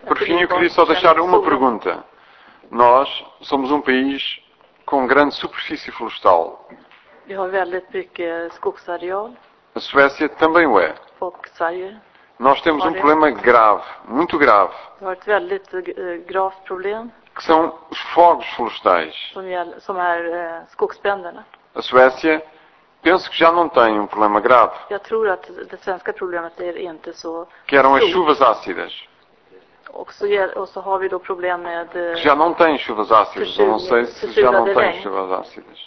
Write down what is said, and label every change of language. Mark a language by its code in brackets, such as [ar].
[pt] Por fim, eu queria só deixar uma pergunta. Nós somos um país com grande superfície florestal. [sv] Vi har väldigt mycket skogsareal. [pt] A Suécia também o é. [sv] Och Sverige. [pt] Nós temos um problema grave, muito grave. [sv] Det är ett väldigt gravt problem. [pt] Que são os fogos florestais. [sv] Som är skogsbränderna. [pt] A Suécia, penso que já não tem um problema grave. [sv] Jag tror att det svenska problemet är inte så. [pt] Que eram as chuvas ácidas. [sv] Och så har vi då problem med. [pt] Que já não tem chuvas ácidas. Eu não sei se já não tem chuvas ácidas.